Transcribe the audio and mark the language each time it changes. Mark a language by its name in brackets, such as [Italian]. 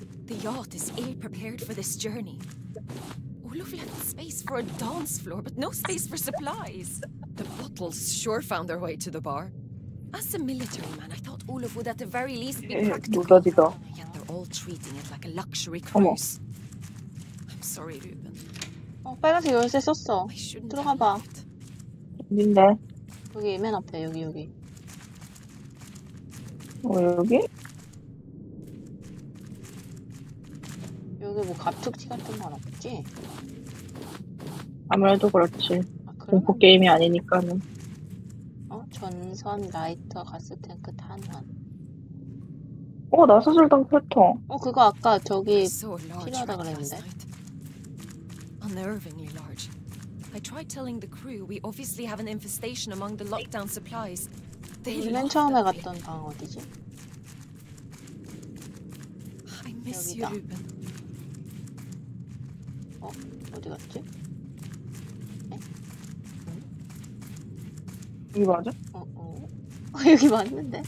[English] The yacht is ill prepared for this journey. All of you had space for a dance floor, but no space for supplies. The bottles sure found their way to the bar. As a military man, I thought Olaf would at the very least be practical. Yet they're all treating it like a luxury cruise. Sorry, Ruben. [Korean] 어, 빨간색 열쇠 썼어. 들어가 봐. 어딘데? 여기 맨 앞에 여기. 어 여기? 여기 뭐 갑툭튀 같은 건 없지? 아무래도 그렇지. 공포 게임이 아니니까는. 어? 전선 라이터 가스탱크 탄환. 어, 나사슬당 패턴. 어, 그거 아까 저기 필요하다 그랬는데. [English] Unnervingly large. I tried telling the crew we obviously have an infestation among the lockdown supplies. [Korean] 맨 처음에 갔던 방 어디지? [English] I miss you, Ruben. [Korean] 어, 어디 갔지? 이 맞아? 어, 어. 여기 맞는데?